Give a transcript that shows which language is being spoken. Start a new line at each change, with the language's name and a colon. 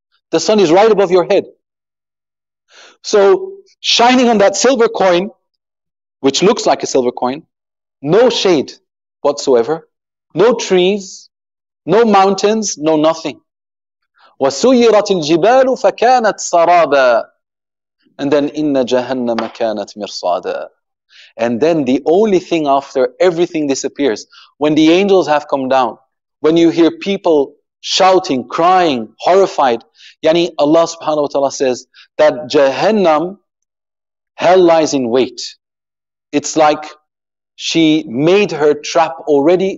English: The sun is right above your head. So shining on that silver coin, which looks like a silver coin, no shade whatsoever, no trees, no mountains, no nothing.
Arabic: وَسُيِّرَتِ الْجِبَالُ فَكَانَتْ سَرَابًا.
English: And then
Arabic: إِنَّ جَهَنَّمَ كَانَتْ مِرْصَادًا.
English: And then the only thing after everything disappears, when the angels have come down, when you hear people shouting, crying, horrified, yani Allah subhanahu wa ta'ala says that Jahannam, hell lies in wait. It's like she made her trap already.